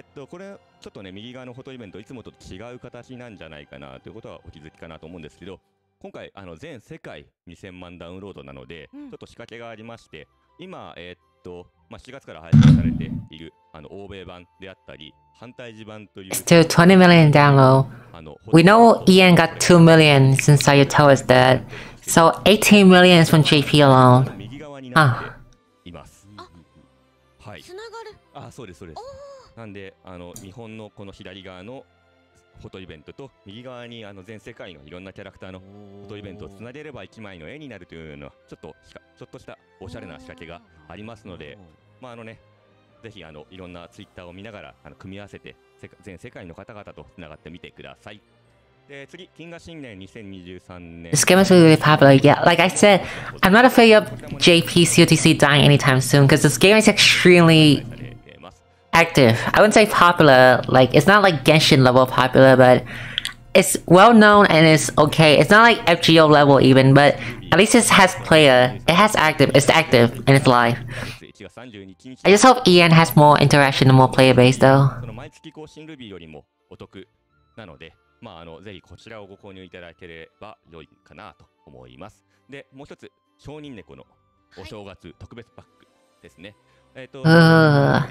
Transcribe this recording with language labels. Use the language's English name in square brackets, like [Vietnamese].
[Japanese] これちょっとね、右側のフォトイベントいつもと違う形なんじゃないかなということはお気づきかなと思うんですけど、今回全世界2000万ダウンロードなので、うん、ちょっと仕掛けがありまして、今まあ、7月から配信されている欧米版であったり反対時版という、 [English] It's still 20 million download. We know Ian got 2 million since you tell us that. So 18 million is from JP alone. [Japanese] 右側になっています。はい。つながる。あ、そうですそうです。なんで日本のこの左側のフォトイベントと右側に全世界のいろんなキャラクターのフォトイベントをつなげれば1枚の絵になるというのはちょっとしたおしゃれな仕掛けがありますので、まあね、ぜひいろんなツイッターを見ながら組み合わせて全世界の方々とつながってみてください。で、次、金河新年2023年。 [English] This game is really popular. Yeah, like I said, I'm not afraid of JP COTC dying anytime soon because this game is extremely active. I wouldn't say popular, like it's not like Genshin level popular, but it's well known and it's okay. It's not like FGO level even, but at least it has player. It has active, it's active and it's live. I just hope EN has more interaction and more player base though. [Japanese] その毎月更新ルビーよりもお得なので、まあぜひこちらをご購入いただければ良いかなと思います。で、もう一つ、商人猫のお正月特別パックですね。は